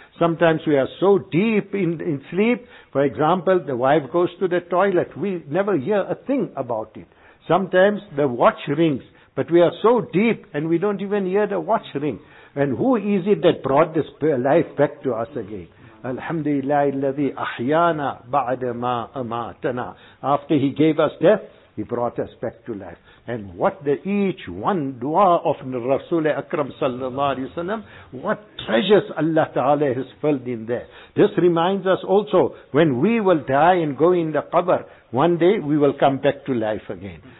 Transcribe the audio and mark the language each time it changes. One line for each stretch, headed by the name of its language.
English: Sometimes we are so deep in sleep. For example, the wife goes to the toilet. We never hear a thing about it. Sometimes the watch rings, but we are so deep and we don't even hear the watch ring. And who is it that brought this life back to us again?
Arabic: Alhamdulillah, الَّذِي أَحْيَانَا بَعْدَ مَا أَمَاتَنَا.
English: After he gave us death, he brought us back to life. And what the each one dua of Rasul Akram sallallahu alayhi wa sallam, what treasures Allah Ta'ala has filled in there. This reminds us also, when we will die and go in the qabr, one day we will come back to life again.